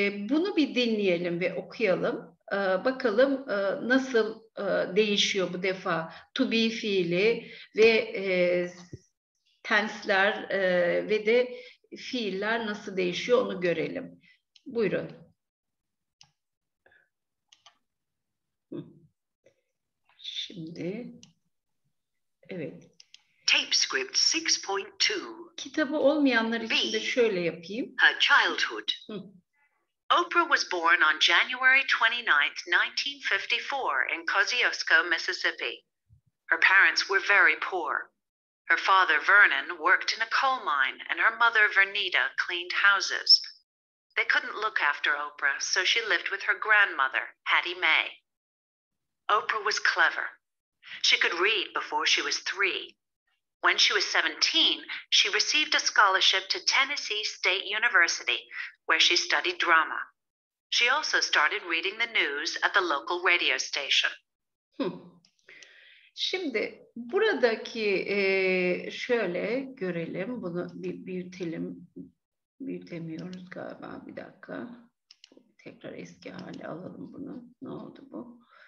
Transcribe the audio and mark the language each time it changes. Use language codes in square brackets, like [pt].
[tr] Bunu bir dinleyelim ve okuyalım. Bakalım nasıl değişiyor bu defa to be fiili ve tensler ve de fiiller nasıl değişiyor, onu görelim. Buyurun. Şimdi evet. [en] Tape script 6.2. [tr] Kitabı olmayanlar için de şöyle yapayım. [en] Her childhood. Oprah was born on January 29th, 1954 in Kosciuszko, Mississippi. Her parents were very poor. Her father, Vernon, worked in a coal mine, and her mother, Vernita, cleaned houses. They couldn't look after Oprah, so she lived with her grandmother, Hattie Mae. Oprah was clever. She could read before she was three. When she was 17, she received a scholarship to Tennessee State University, where she studied drama. She also started reading the news at the local radio station. [tr] Şimdi buradaki şöyle görelim, bunu bir büyütelim. Büyütemiyoruz galiba, bir dakika. Tekrar eski hale alalım bunu. Ne oldu bu?